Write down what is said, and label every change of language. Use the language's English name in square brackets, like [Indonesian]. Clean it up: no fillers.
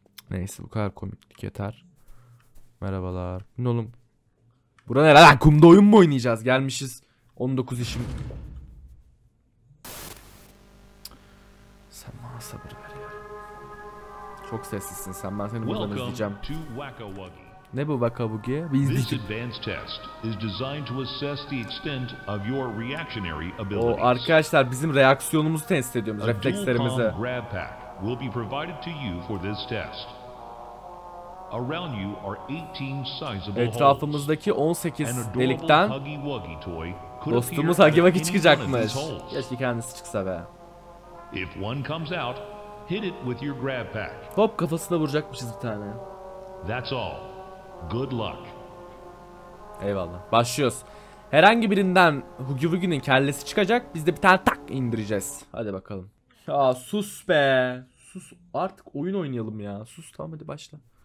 [Turkish] Neyse, bu kadar komiklik yeter. Merhabalar. Ne oğlum? Buranın herhalde kumda oyun mu oynayacağız? Gelmişiz. 19 işim. Sen bana sabır ver ya. Çok sessizsin sen. Ben seni buradan izleyeceğim. Ne bu Wakawugi? Biz izleyeceğiz. [English] This advanced test is designed to assess the extent of your reactionary abilities. [Turkish] Oo, arkadaşlar bizim reaksiyonumuzu test ediyoruz. Reflekslerimizi. [English] A dual-com grab pack will be provided to you for this test. Around you are 18 sizable holes. [Turkish] Etrafımızdaki 18 delikten dostumuz Huggy Wuggy çıkacakmış. Keşke kendisi çıksa be. [English] If one comes out, hit it with your grab pack. [Turkish] Hop, kafasına vuracakmışız bir tane. [English] That's all. Good luck. [Turkish] Eyvallah. Başlıyoruz. Herhangi birinden Huggy Wuggy'nin kellesi çıkacak. Biz de bir tane tak indireceğiz. Hadi bakalım. Ya sus be. Sus. Artık oyun oynayalım ya. Sus, tamam, hadi başla.